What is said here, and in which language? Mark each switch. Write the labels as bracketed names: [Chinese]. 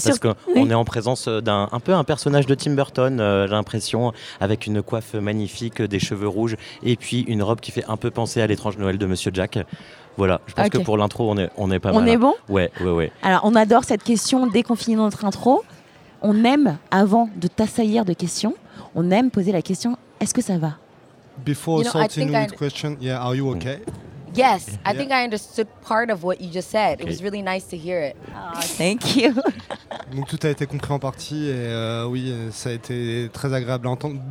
[French] parce qu'on est en présence d'un personnage de Tim Burton, j'ai l'impression, avec une coiffe magnifique, des cheveux rouges et puis une robe qui fait un peu penser à l'étrange Noël de Monsieur Jack. Voilà, je pense que pour l'intro, on est pas mal. On est bon ? Ouais. Alors, on adore cette question dès qu'on finit notre intro. On aime, avant de t'assaillir de questions, on aime poser la question, est-ce que ça va ? [English] Before starting with question, yeah, are you okay ? Yes, I think I understood part of what you just said. Okay. It was really nice to hear it. Oh, thank you. [French] Donc tout a été compris en partie et oui, ça a été très agréable à entendre.